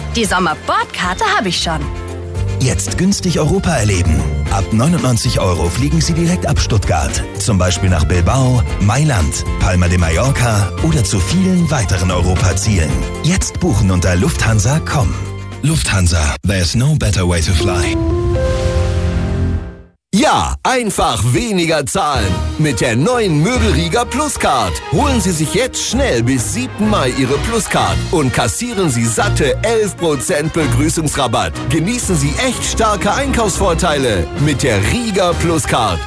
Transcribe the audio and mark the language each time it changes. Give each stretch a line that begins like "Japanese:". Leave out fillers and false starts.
German: Die Sommerbordkarte habe ich schon. Jetzt günstig Europa erleben. Ab 99 Euro fliegen Sie direkt ab Stuttgart. Zum Beispiel nach Bilbao, Mailand, Palma de Mallorca oder zu vielen weiteren Europazielen. Jetzt buchen unter lufthansa.com.
English: Lufthansa, there's no better way to fly.
German: Ja, einfach weniger zahlen. Mit der neuen Möbelrieger Pluscard. Holen Sie sich jetzt schnell bis 7. Mai Ihre Pluscard und kassieren Sie satte 11% Begrüßungsrabatt. Genießen Sie echt starke Einkaufsvorteile mit der Rieger Pluscard.